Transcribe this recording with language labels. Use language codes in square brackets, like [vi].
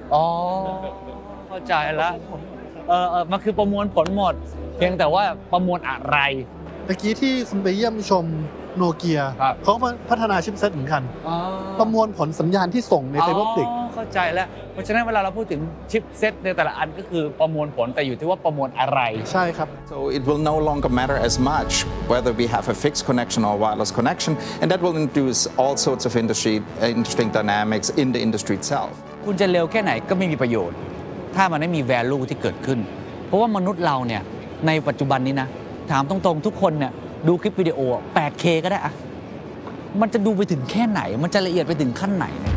[th] อ๋อเข้าใจแล้วมันคือประมวลผลหมดเพียงแต่ว่าประมวลอะไร เมื่อกี้ที่คุณไปเยี่ยมชมโนเกียเขาพัฒนาชิปเซ็ตเหมือนกันประมวลผลสัญญาณที่ส่งในไฟเบอร์ออปติก เข้าใจแล้วเพราะฉะนั้นเวลาเราพูดถึงชิปเซ็ตในแต่ละอันก็คือประมวลผลแต่อยู่ที่ว่าประมวลอะไร ใช่ครับ [en] so it will no longer matter as much whether we have a fixed connection or wireless connection and that will introduce all sorts of industry interesting dynamics in the industry itself [th] คุณจะเร็วแค่ไหนก็ไม่มีประโยชน์ถ้ามันไม่มี value ที่เกิดขึ้นเพราะว่ามนุษย์เราเนี่ยในปัจจุบันนี้นะถามตรงๆทุกคนเนี่ยดูคลิปวิดีโอ 8K ก็ได้อะมันจะดูไปถึงแค่ไหนมันจะละเอียดไปถึงขั้นไหน